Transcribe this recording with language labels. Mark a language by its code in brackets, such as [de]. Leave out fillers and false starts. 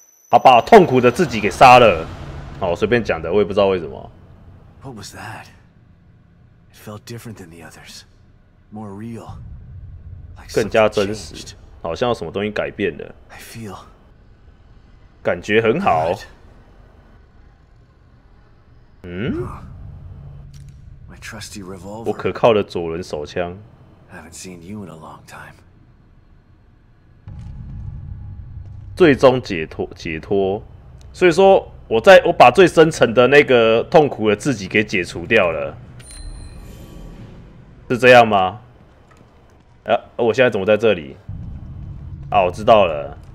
[zh] 好，把痛苦的自己给杀了。哦，随便讲的，我也不知道为什么。 [en] What was that? felt different than the others, more real, like [zh] 更加真实，好像有什么东西改变了。 [en] I feel [zh] 感觉很好。嗯，我可靠的左轮手枪。 [en] Haven't seen you in a long time. [zh] 最终解脱，所以说我把最深层的那个痛苦的自己给解除掉了，是这样吗？啊，我现在怎么在这里？啊，我知道了。